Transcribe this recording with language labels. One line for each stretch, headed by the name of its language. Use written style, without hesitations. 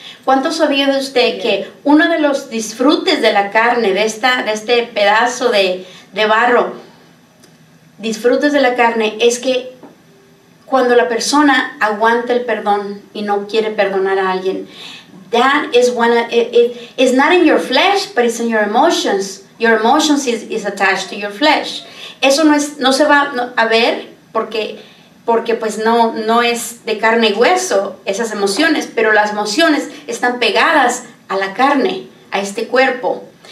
Spanish: ¿Cuánto sabía de usted que uno de los disfrutes de la carne, de este pedazo de barro, disfrutes de la carne, es que cuando la persona aguanta el perdón y no quiere perdonar a alguien?
English: That is one of, it's not in your flesh, but it's in your emotions. Your emotions is attached to your flesh.
Spanish: Eso no se va a ver porque pues no es de carne y hueso esas emociones, pero las emociones están pegadas a la carne, a este cuerpo.